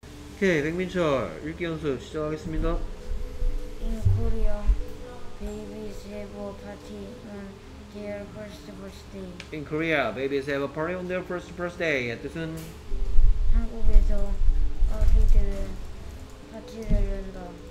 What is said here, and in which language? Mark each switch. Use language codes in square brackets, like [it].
[ko] 오케이, 백민철 읽기 연습 시작하겠습니다. [en] In Korea, babies have a party on their first birthday. In Korea, babies have a party on their first birthday. [ko] 뜻은? 한국에서 아기들은 파티를 한다.